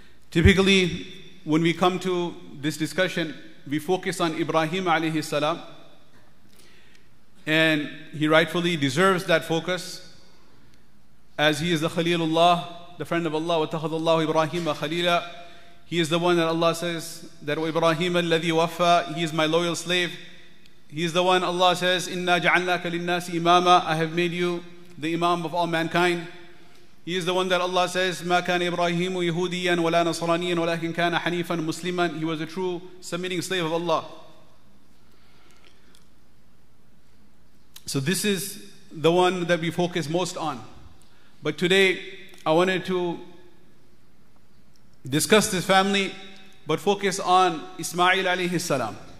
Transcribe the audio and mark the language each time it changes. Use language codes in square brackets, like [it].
[en] Typically, when we come to this discussion, we focus on Ibrahim alayhi salam, and he rightfully deserves that focus, as he is the Khalilullah, the friend of Allah. [ar] وَاتَّخَذَ اللَّهُ إِبْرَاهِيمَ خَلِيلًا. [en] He is the one that Allah says that [ar] وَإِبْرَاهِيمَ الَّذِي وَفَى. [en] He is my loyal slave. He is the one Allah says [ar] إِنَّا جَعَلْنَاكَ لِلنَّاسِ إِمَامًا. [en] I have made you the Imam of all mankind. He is the one that Allah says [ar] مَا كَانَ إِبْرَاهِيمُ يَهُودِيًا وَلَا نَصْرَانِيًا وَلَكِنْ كَانَ حَنِيفًا مُسْلِمًا. [en] He was a true submitting slave of Allah. So this is the one that we focus most on. But today, I wanted to discuss this family, but focus on Ismail alayhi salam.